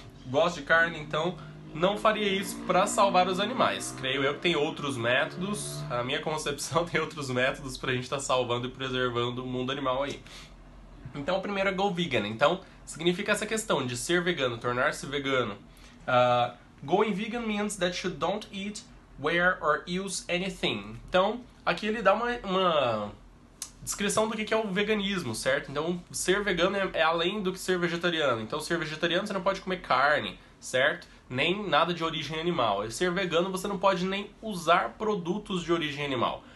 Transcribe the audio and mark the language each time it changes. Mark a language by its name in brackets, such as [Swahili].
[Portuguese] Gosto de carne, então não faria isso para salvar os animais. Creio eu que tem outros métodos, a minha concepção tem outros métodos pra gente estar salvando e preservando o mundo animal aí. Então, o primeiro é [English] go vegan. [Portuguese] Então, significa essa questão de ser vegano, tornar-se vegano. [English] Going vegan means that you don't eat, wear or use anything. [Portuguese] Então, aqui ele dá uma descrição do que é o veganismo, certo? Então, ser vegano é além do que ser vegetariano. Então, ser vegetariano você não pode comer carne, certo? Nem nada de origem animal. E ser vegano você não pode nem usar produtos de origem animal.